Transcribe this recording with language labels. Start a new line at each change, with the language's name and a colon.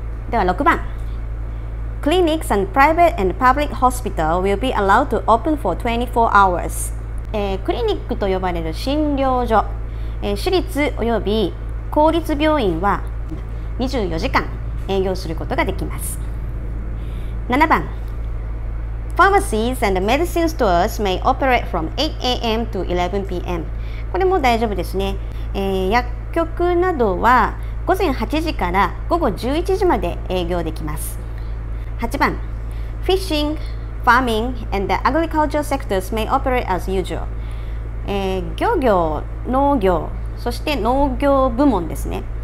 Japanese: では6番、
English: Clinics and private and public hospital will be allowed to open for 24 hours。
Japanese: クリニックと呼ばれる診療所、私立および公立病院は24時間営業することができます。
English: 7番、 Pharmacies and medicine stores may operate from 8 a.m. to 11 p.m.
Japanese: これも大丈夫ですね。薬局などは午前8時から午後11時まで営業できます。
English: 8番 Fishing, Farming and the Agricultural Sectors may operate as usual、
Japanese: 漁業、農業、そして農業部門ですね。